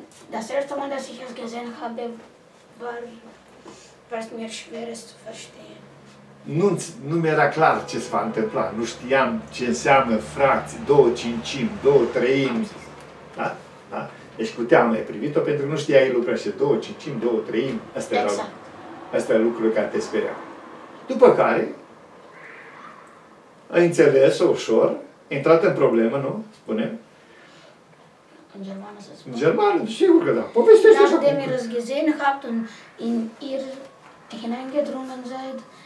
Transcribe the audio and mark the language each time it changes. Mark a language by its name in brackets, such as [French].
[German] Das erste Mal, dass ich es gesehen habe, war mir schwer zu verstehen. [Romanian] Nu mi-era clar ce se va întâmpla. Nu știam ce înseamnă fracții, două cincimi, două treimi. Da? Da? Deci cu teamă ai privit-o pentru că nu știai lucrurile astea. Două cincimi, două treimi. Asta e lucrurile care te speria. După care, ai înțeles-o ușor, ai intrat în problemă, nu? Spune-mi. În germană, să spun. În germană, sigur că da. Povestește așa. [German] De mir gesehen habt und in ihr hineingedrungen seid.